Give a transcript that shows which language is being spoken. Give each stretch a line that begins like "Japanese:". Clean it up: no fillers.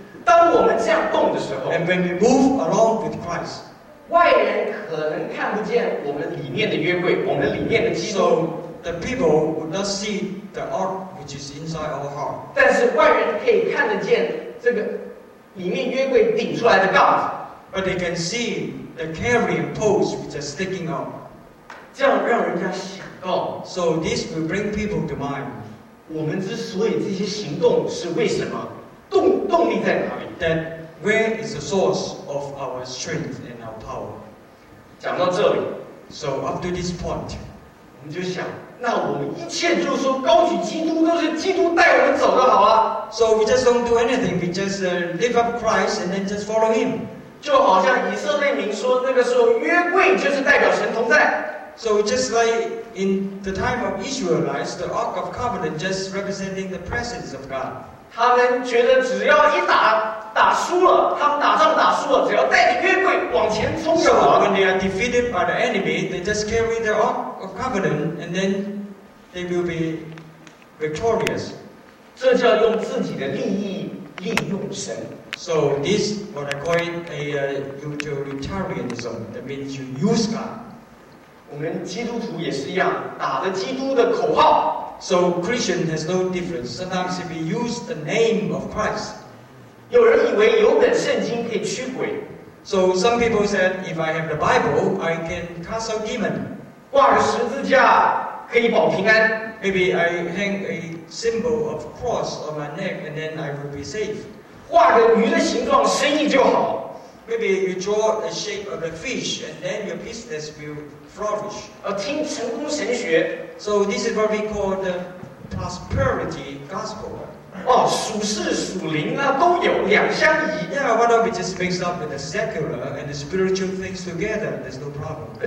Chinese: 当我们这样动的时候
English: and when we move along with Christ,
Chinese: 外人可能看不见我们里面的约柜，我们里面的基督。
English: So the people would not see the ark which is inside our heart.
Chinese: 但是外人可以看得见这个里面约柜顶出来的杠子。
English: But they can see the carrying poles which are sticking out.
Chinese: 这样让人家想到
English: ，So this will bring people to mind.
Chinese: 我们之所以这些行动是为什么？动力在哪里
English: ？That where is the source of our strength and our power?
Chinese: 讲到这里
English: ，So up to this point，
Chinese: 我们就想，那我们一切就是说高举基督，都是基督带我们走就好了。
English: So we just don't do anything. We just lift up Christ and then just follow Him.
Chinese: 就好像以色列民说，那个时候约柜就是代表神同在。
English: So just like in the time of Israelites, the Ark of Covenant just representing the presence of God.
Chinese: 他们觉得只要一打输了，他们打仗打输了，只要带着约柜往前冲就好了。
English: So when they are defeated by the enemy, they just carry the Ark of Covenant, and then they will be victorious.
Chinese: 这叫用自己的利益利用神。
English: So this what I call it a utilitarianism, that means you use God.
Chinese: 我们基督徒也是一样，打着基督的口号。
English: So Christian has no difference. Sometimes we use the name of Christ.
Chinese: 有人以为有本圣经可以驱鬼。
English: So some people said if I have the Bible, I can cast out demon.
Chinese: 挂着十字架可以保平安。
English: Maybe I hang a symbol of cross on my neck and then I will be safe.
Chinese: 画着鱼的形状，生意就好。
English: Maybe you draw the shape of a fish and then your business will flourish.
Chinese: 听成功神学。
English: So this is what we call the prosperity gospel.
Chinese: 属世属灵啊都有两相宜。
English: Yeah, why don't we just mix up with the secular and the spiritual things together? There's no problem.